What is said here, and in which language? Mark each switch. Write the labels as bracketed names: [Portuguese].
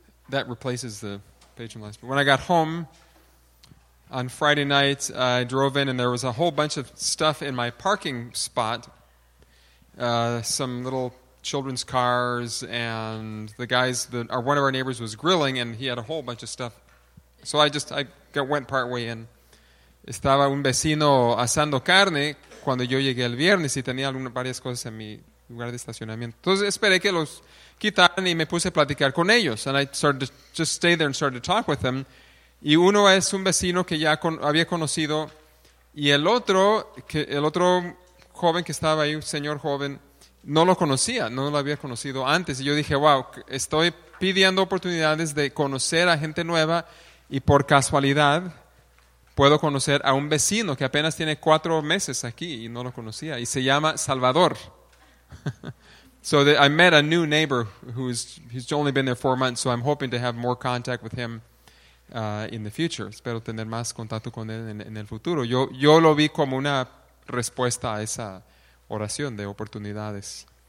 [English] That replaces the page from last. But when I got home on Friday night, I drove in and there was a whole bunch of stuff in my parking spot. Some little children's cars, and the guys that are one of our neighbors was grilling, and he had a whole bunch of stuff. So I went partway in. [Spanish] Estaba un vecino asando carne cuando yo llegué el viernes y tenía algunas varias cosas en mi lugar de estacionamiento. Entonces esperé que los quitaran y me puse a platicar con ellos. [English] And I started to just stay there and started to talk with them. [Spanish] Y uno es un vecino que ya había conocido, y el otro joven que estaba ahí, un señor joven, no lo conocía, no lo había conocido antes. Y yo dije, wow, estoy pidiendo oportunidades de conocer a gente nueva, y por casualidad puedo conocer a un vecino que apenas tiene 4 meses aquí y no lo conocía, y se llama Salvador. [English] So that I met a new neighbor who's only been there 4 months, so I'm hoping to have more contact with him in the future. [Spanish] Espero tener más contacto con él en el futuro. Yo lo vi como una respuesta a esa oración de oportunidades.